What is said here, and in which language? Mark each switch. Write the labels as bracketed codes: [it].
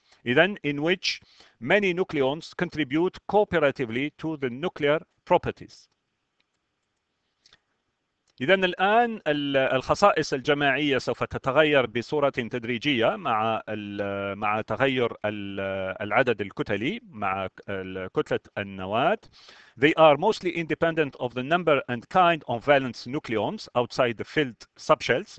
[en] إذن in which many nucleons contribute cooperatively to the nuclear properties. [ar] إذن الآن الخصائص الجماعية سوف تتغير بصورة تدريجية مع تغير العدد الكتلي مع كتلة النواة. [en] They are mostly independent of the number and kind of valence nucleons outside the filled subshells.